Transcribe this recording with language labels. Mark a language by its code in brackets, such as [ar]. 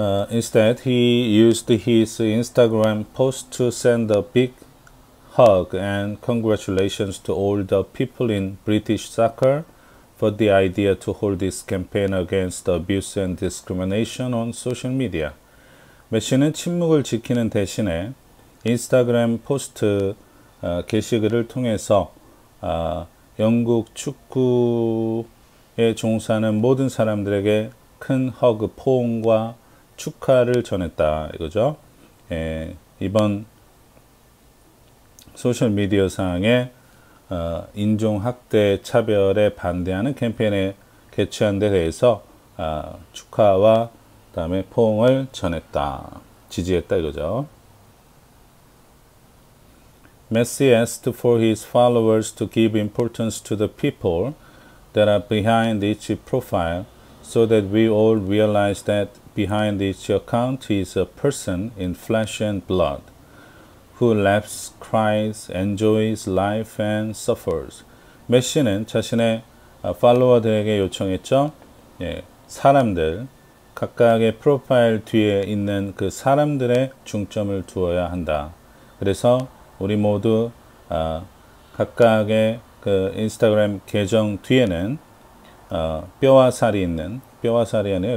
[en] Instead, he used his Instagram post to send a big hug and congratulations to all the people in British soccer for the idea to hold this campaign against abuse and discrimination on social media. [ko] 메시는 침묵을 지키는 대신에 인스타그램 포스트 게시글을 통해서 영국 축구에 종사하는 모든 사람들에게 큰 허그, 포옹과 축하를 전했다. 이거죠. 이번 소셜미디어 상에 인종학대 차별에 반대하는 캠페인에 개최한 데 대해서 축하와 그다음에 포옹을 전했다. 지지했다. 이거죠. [en] Messi asked for his followers to give importance to the people that are behind each profile so that we all realize that behind each account is a person in flesh and blood who laughs, cries, enjoys life and suffers. [ko] 메시는 자신의 팔로워들에게 요청했죠. 사람들, 각각의 프로파일 뒤에 있는 그 사람들의 중점을 두어야 한다. 그래서 우리 모두 각각의 그 인스타그램 계정 뒤에는 뼈와 살이 아니에요.